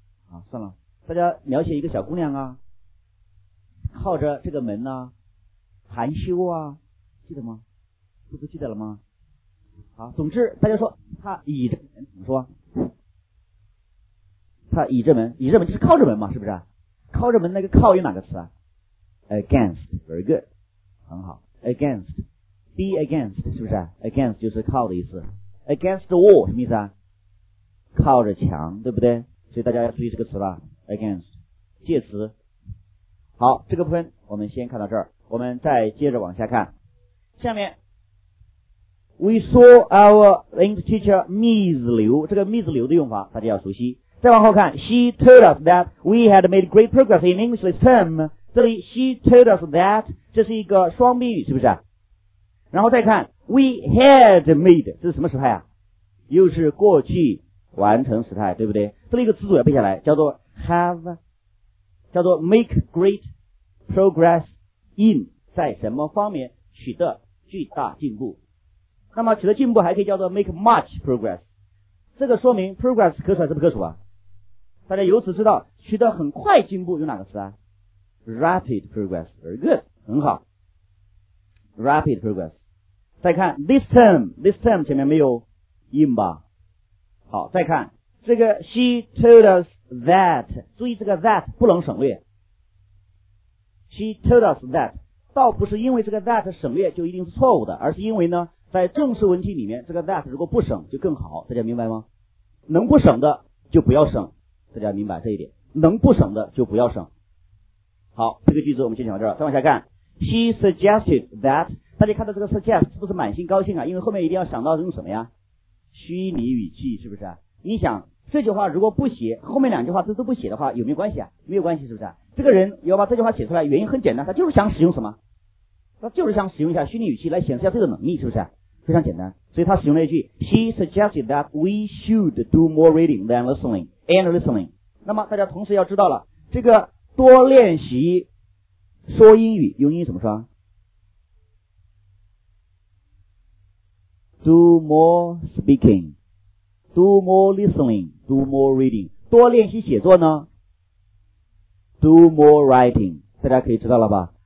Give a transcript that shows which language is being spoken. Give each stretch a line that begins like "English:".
Chinese: 啊，算了，大家描写一个小姑娘啊，靠着这个门啊含羞啊，记得吗？不记得了吗？好，总之大家说她倚着门怎么说？他倚着门，倚着门就是靠着门嘛，是不是？靠着门那个靠有哪个词啊？
English: against， very good，
Chinese: 很好。
English: against， be against， 是不是？
Chinese: against 就是靠的意思。
English: against the wall
Chinese: 什么意思啊？靠着墙，对不对？所以大家要注意这个词了， against 介词。好，这个部分我们先看到这儿，我们再接着往下看。下面
English: we saw our English teacher Miss Liu，
Chinese: 这个 Miss Liu 的用法大家要熟悉。
English: 再往后看， she told us that we had made great progress in English this term，
Chinese: 这里
English: she told us that
Chinese: 这是一个双宾语，是不是？然后再看 We had made 这是什么时态啊？又是过去完成时态，对不对？这里一个词组要背下来，叫做 have， 叫做
English: make great progress in，
Chinese: 在什么方面取得巨大进步。那么取得进步还可以叫做
English: make much progress，
Chinese: 这个说明 progress 可数还是不可数啊？大家由此知道取得很快进步有哪个词啊？
English: rapid progress， very good，
Chinese: 很好， rapid progress。再看
English: this term，
Chinese: this term 前面没有 in 吧。好，再看这个
English: she told us that，
Chinese: 注意这个 that 不能省略， she told us that 倒不是因为这个 that 省略就一定是错误的，而是因为呢在正式文体里面这个 that 如果不省就更好，大家明白吗？能不省的就不要省，大家明白这一点，能不省的就不要省。好，这个句子我们先讲到这儿，再往下看
English: she suggested that，
Chinese: 大家看到这个 suggest 是不是满心高兴啊？因为后面一定要想到用什么呀，虚拟语气，是不是？你想这句话如果不写，后面两句话这都不写的话有没有关系啊？没有关系，是不是？这个人要把这句话写出来原因很简单，他就是想使用什么，他就是想使用一下虚拟语气来显示一下这个能力，是不是？非常简单，所以他使用了一句
English: She suggested that we should do more reading than listening and listening。
Chinese: 那么大家同时要知道了，这个多练习说英语用英语怎么说？
English: Do more speaking, Do more listening, Do more reading。
Chinese: 多练习写作呢？
English: Do more writing。
Chinese: 大家可以知道了吧？